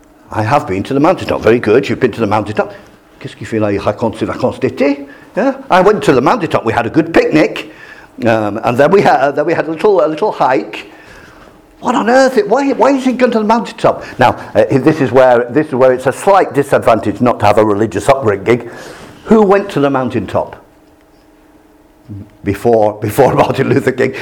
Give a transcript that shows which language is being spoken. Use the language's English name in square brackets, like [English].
[English] I have been to the mountaintop. Very good. You've been to the mountaintop. [French] Qu'est-ce qu'il fait là? Il raconte ses vacances d'été. [English] Yeah, I went to the mountaintop. We had a good picnic, and then we had a little hike. What on earth? Why is he going to the mountaintop? Now, this is where it's a slight disadvantage not to have a religious upbringing. Who went to the mountaintop before Martin Luther King?